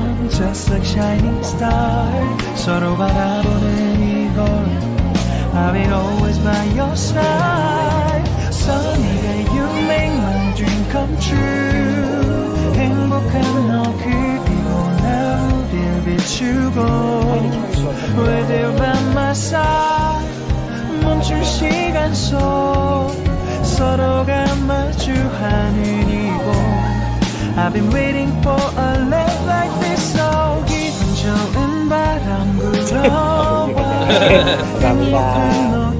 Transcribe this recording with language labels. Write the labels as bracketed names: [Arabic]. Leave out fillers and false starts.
[English] Just like shining star, [Korean] 서로 바라보는 이곳. [English] I'll be always by your side. Sunny day, you make my dream come true. [Korean] 행복한 너 그리고 나 우릴 비추고. [English] With you by my side, [Korean] 멈춘 시간 속 서로가 마주하는 이곳. [English] I've been waiting for a love like this. [Korean] So 기분 좋은 바람 불어와. 감사합니다.